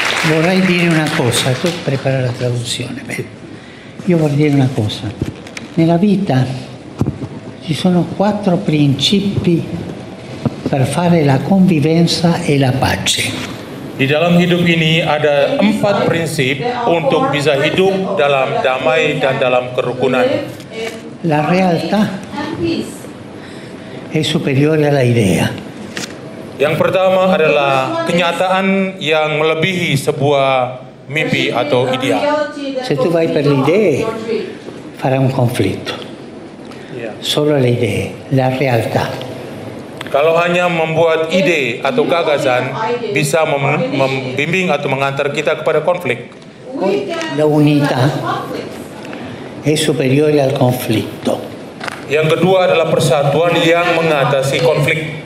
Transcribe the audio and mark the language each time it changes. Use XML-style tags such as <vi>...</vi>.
<it>Vorrei dire una cosa, tu prepara la traduzione. Io vorrei dire una cosa. Nella vita ci sono quattro principi per fare la convivenza e la pace.</it> <id>Di dalam hidup ini ada empat prinsip untuk bisa hidup dalam damai dan dalam kerukunan.</id> <it>La realtà è superiore alla idea.</it> <id>Yang pertama adalah kenyataan yang melebihi sebuah mimpi atau ideal.</id> <it>Se tu vai per le idee, farà un conflitto. Solo le idee, la realtà.</it> <id>Kalau hanya membuat ide atau gagasan, bisa membimbing atau mengantar kita kepada konflik.</id> <it>La unità è superiore al conflitto.</it> <id>Yang kedua adalah persatuan yang mengatasi konflik.</id>